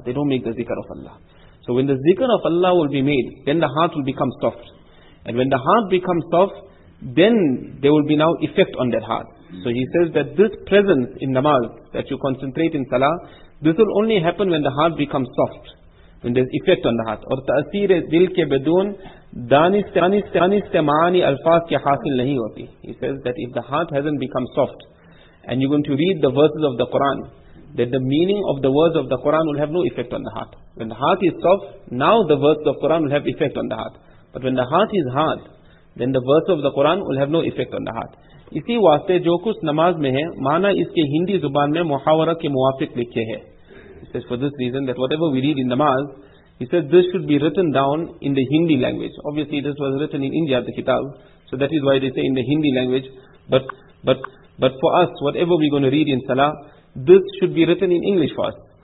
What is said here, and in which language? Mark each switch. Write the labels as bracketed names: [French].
[English] They don't make the zikr of Allah. So when the zikr of Allah will be made, then the heart will become soft. And when the heart becomes soft, then there will be now effect on that heart. So he says that this presence in namaz, that you concentrate in salah, this will only happen when the heart becomes soft. When there's effect on the heart. [Urdu] Or تأثير دل کے بدون دانست معانی الفاظ کے حاصل نہیں ہوتی. [English] He says that if the heart hasn't become soft, and you're going to read the verses of the Quran, then the meaning of the words of the Quran will have no effect on the heart. When the heart is soft, now the verses of Quran will have effect on the heart. But when the heart is hard, then the verse of the Quran will have no effect on the heart. [Urdu] اسی واسطے جو کچھ نماز میں ہے معنی اس کے ہندی زبان میں محاورہ کے موافق لکھے ہے. [English] says for this reason, that whatever we read in namaz, he says this should be written down in the Hindi language. Obviously this was written in India, the kitab, so that is why they say in the Hindi language. But for us, whatever we're going to read in salah, this should be written in English for us.